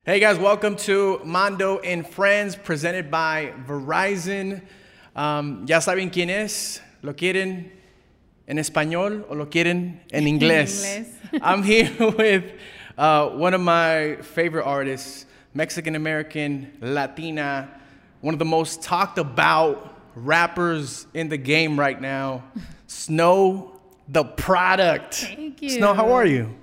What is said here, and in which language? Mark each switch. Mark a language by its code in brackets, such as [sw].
[en] Hey guys, welcome to Mondo and Friends presented by Verizon. [es] Ya saben quién es, lo quieren en español o lo quieren en inglés. [en] I'm here with one of my favorite artists, Mexican American, Latina, one of the most talked about rappers in the game right now, Snow the Product. Thank you. Snow, how are you?